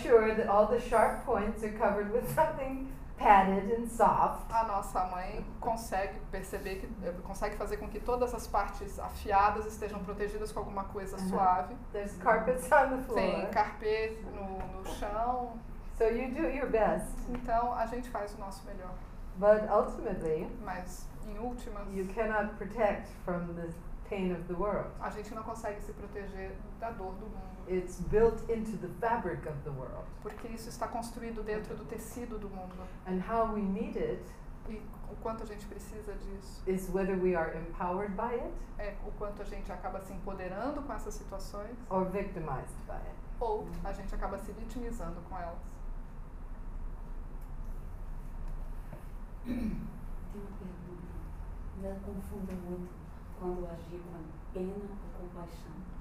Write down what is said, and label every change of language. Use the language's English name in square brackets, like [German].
[English] Sure that all the sharp points are covered with something padded and soft. [Portuguese] A nossa mãe consegue perceber que consegue fazer com que todas as partes afiadas estejam protegidas com alguma coisa uh-huh. suave. [English] There's carpets on the floor. [Portuguese] Tem carpete no chão. [English] So you do your best. [Portuguese] Então a gente faz o nosso melhor. [English] But ultimately, [Portuguese] mas em últimas, [English] you cannot protect from the pain of the world. [Portuguese] A gente não consegue se proteger da dor do mundo. [English] It's built into the fabric of the world. [Portuguese] Porque isso está construído dentro do tecido do mundo. [English] And how we need it, [Portuguese] e o quanto a gente precisa disso, [English] is whether we are empowered by it, [Portuguese] é o quanto a gente acaba se empoderando com essas situações, [English] or victimized by it. [Portuguese] Ou a gente acaba se vitimizando com elas. Tem uma pergunta. Ela confunde muito quando agir com pena ou compaixão.